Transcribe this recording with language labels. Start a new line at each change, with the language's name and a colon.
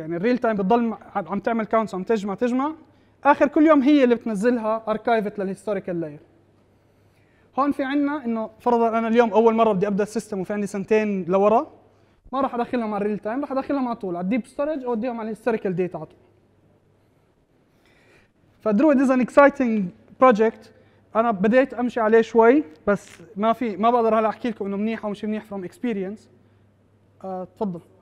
Arabic: يعني الريل تايم بتضل عم تعمل كاونتس عم تجمع اخر كل يوم هي اللي بتنزلها اركايفت للهيستوريكال لاير. هون في عنا انه فرضا انا اليوم اول مره بدي ابدا السيستم وفي عندي سنتين لورا ما راح ادخلهم على الريل تايم, راح ادخلهم على طول على الديب ستورج او اوديهم على الهيستوريكال داتا على طول. فدرويد
English: is an exciting project.
Arabic: أنا بديت أمشي عليه شوي بس ما في ما بقدر هلا أحكي لكم إنه منيح أو مش منيح
English: from experience.
Arabic: تفضل.